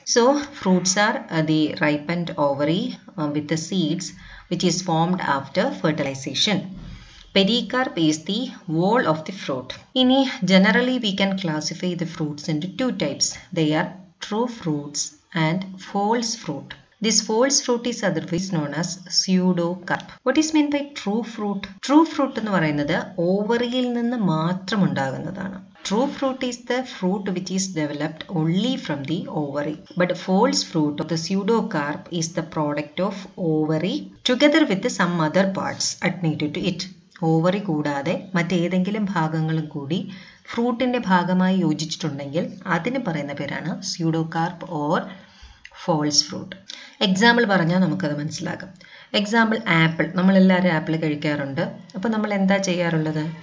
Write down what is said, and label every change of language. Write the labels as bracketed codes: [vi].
[en] So fruits are the ripened ovary with the seeds which is formed after fertilisation. Pericarp is the whole of the fruit. ഇനി generally we can classify the fruits into 2 types. They are true fruits and false fruit. This false fruit is otherwise known as pseudocarp. What is meant by true fruit? [ml] True fruit എന്ന് പറയുന്നത് ഓവറിയിൽ നിന്ന് മാത്രം ഉണ്ടാകുന്നതാണ്. [en] True fruit is the fruit which is developed only from the ovary. But false fruit of the pseudocarp is the product of ovary together with some other parts adnated to it. [ml] Ovary കൂടാതെ മറ്റേതെങ്കിലും ഭാഗങ്ങളും കൂടി ഫ്രൂട്ടിൻ്റെ ഭാഗമായി യോജിച്ചിട്ടുണ്ടെങ്കിൽ അതിന് പറയുന്ന പേരാണ് pseudocarp or false fruit. Example പറഞ്ഞാൽ നമുക്കത് മനസ്സിലാകും. Example apple. നമ്മളെല്ലാവരും ആപ്പിൾ കഴിക്കാറുണ്ട്. അപ്പോൾ നമ്മൾ എന്താ ചെയ്യാറുള്ളത്?